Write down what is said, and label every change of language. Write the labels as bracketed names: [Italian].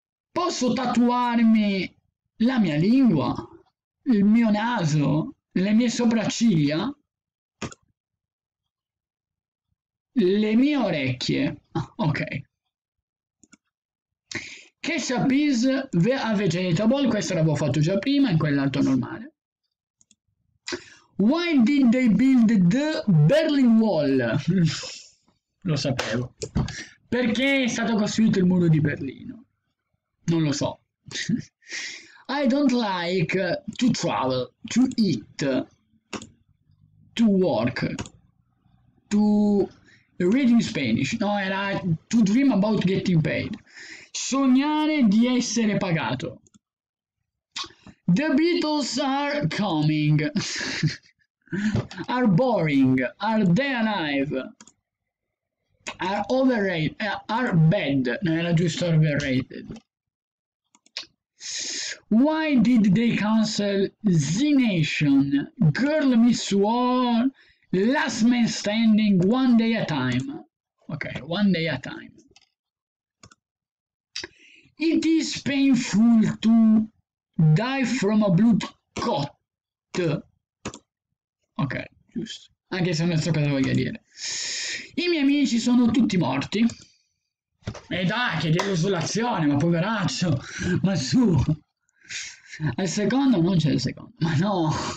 [Italian] Posso tatuarmi la mia lingua, il mio naso, le mie sopracciglia, le mie orecchie. Ok. [English] Ketchup is a vegetable, [Italian] questo l'avevo fatto già prima, in quell'altro normale. [English] Why did they build the Berlin Wall? [Italian] Lo sapevo. Perché è stato costruito il muro di Berlino? Non lo so. [English] I don't like to travel, to eat, to work, to read in Spanish. [Italian] No, era [English] to dream about getting paid. [Italian] Sognare di essere pagato. [English] The Beatles are coming. Are boring, are they alive, are overrated, are bad, [Italian] non era giusto [English] overrated. Why did they cancel Z Nation, Girl Meets World, Last Man Standing, One Day at a Time? Ok, One Day at a Time. It is painful to die from a blood clot. [Italian] Ok, giusto. Anche se non so cosa voglia dire. I miei amici sono tutti morti. E dai, che desolazione, ma poveraccio, ma su. Al secondo non c'è il secondo, ma no.